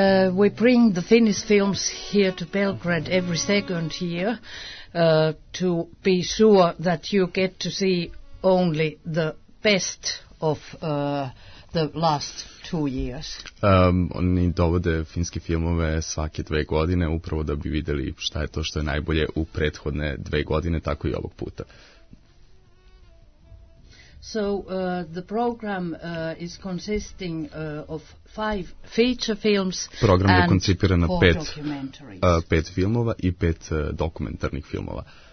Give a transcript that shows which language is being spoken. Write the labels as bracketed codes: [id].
[en] We bring the Finnish films here to Belgrade every second year to be sure that you get to see only the best of the last 2 years. [sr] Oni dovode finske filmove svake dve godine upravo da bi videli šta je to što je najbolje u prethodne dve godine, tako i ovog puta. [en] So the program is consisting of 5 feature films. [sr] Program je koncipiran na 5 filmova i 5 dokumentarnih filmova.